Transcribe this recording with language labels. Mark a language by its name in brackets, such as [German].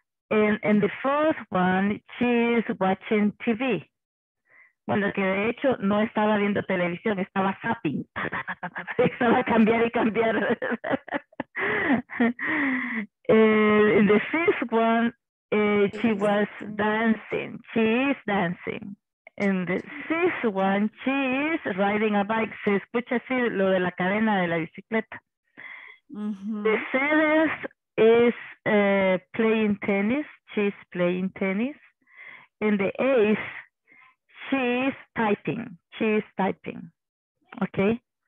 [English] And the fourth one, she is watching TV. [Spanish] Bueno, que de hecho no estaba viendo televisión, estaba zapping. Estaba cambiar y cambiar. [English] In the fifth one, she was dancing. She is dancing. In the sixth one, she is riding a bike. [Spanish] Se escucha así lo de la cadena de la bicicleta. [English] Mm-hmm. The seventh is playing tennis. She is playing tennis. In the eighth, she is typing. She is typing. Okay.